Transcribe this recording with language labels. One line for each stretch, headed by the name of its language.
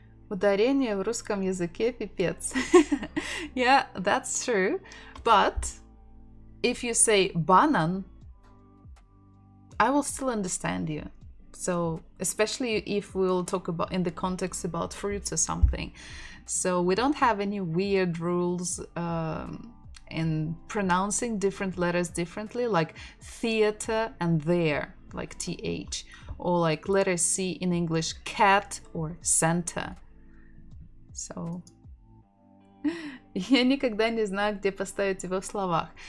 Russian: Ударение в русском языке пипец.
English: Yeah, that's true. But if you say банан, I will still understand you. So, especially if we'll talk about in the context about fruits or something. So, we don't have any weird rules in pronouncing different letters differently, like theater and there, like TH. Or like letter C in English, cat or Santa.
Russian: So, я никогда не знаю, где поставить его в словах.